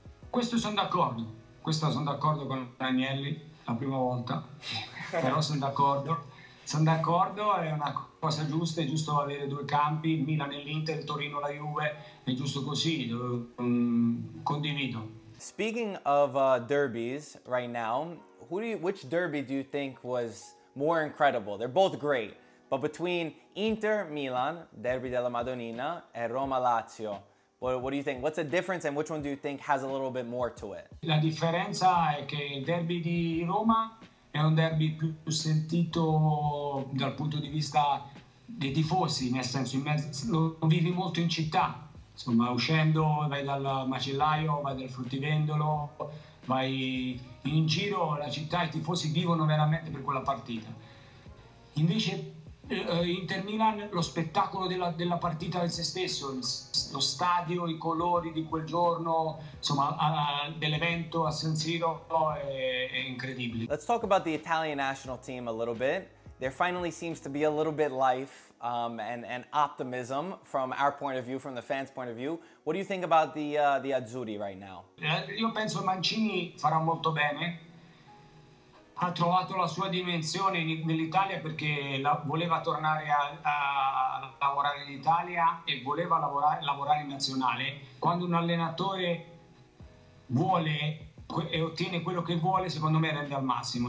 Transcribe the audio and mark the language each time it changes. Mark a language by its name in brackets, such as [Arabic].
[Italian] Questo sono d'accordo con Agnelli la prima volta, però sono d'accordo, è una cosa giusta, è giusto avere due campi, Milan e l'Inter, Torino e la Juve, è giusto così, condivido. [English] Speaking of derbies right now, which derby do you think was more incredible? They're both great, but between Inter Milan, Derby della Madonnina, e Roma Lazio, what do you think? What's the difference and which one do you think has a little bit more to it? [Italian] La differenza è che il derby di Roma è un derby più sentito dal punto di vista dei tifosi, nel senso in mezzo, lo vivi molto in città. Insomma, uscendo, vai dal macellaio, vai dal fruttivendolo, vai in giro, la città, i tifosi vivono veramente per quella partita. Invece, Inter Milan, lo spettacolo della partita in se stesso, lo stadio, i colori di quel giorno, insomma, dell'evento a San Siro, è incredibile. [English] Let's talk about the Italian national team a little bit. There finally seems to be a little bit life and optimism from our point of view, from the fans' point of view. What do you think about the Azzurri right now? [Italian] Io penso Mancini farà molto bene. Ha trovato la sua dimensione nell'Italia perché voleva tornare a lavorare in Italia e voleva lavorare in nazionale. Quando un allenatore vuole e ottiene quello che vuole, secondo me rende al massimo.